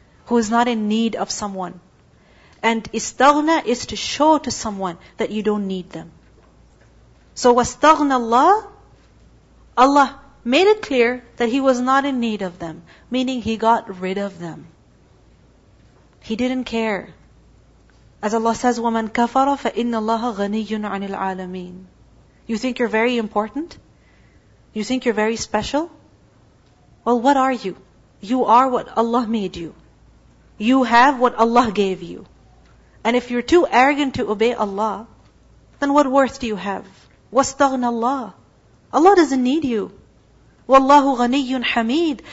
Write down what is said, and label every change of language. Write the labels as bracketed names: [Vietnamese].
[English] who is not in need of someone. And istaghna is to show to someone that you don't need them. So wastaghna Allah, Allah made it clear that He was not in need of them, meaning He got rid of them. He didn't care. As Allah says, [Arabic] وَمَنْ كَفَرَ فَإِنَّ اللَّهَ غَنِيٌّ عَنِ الْعَالَمِينَ. [English] You think you're very important? You think you're very special? Well, what are you? You are what Allah made you. You have what Allah gave you. And if you're too arrogant to obey Allah, then what worth do you have? [Arabic] وَاسْتَغْنَ اللَّهُ. [English] Allah doesn't need you. [Arabic] وَاللَّهُ غَنِيٌّ حَمِيدٌ.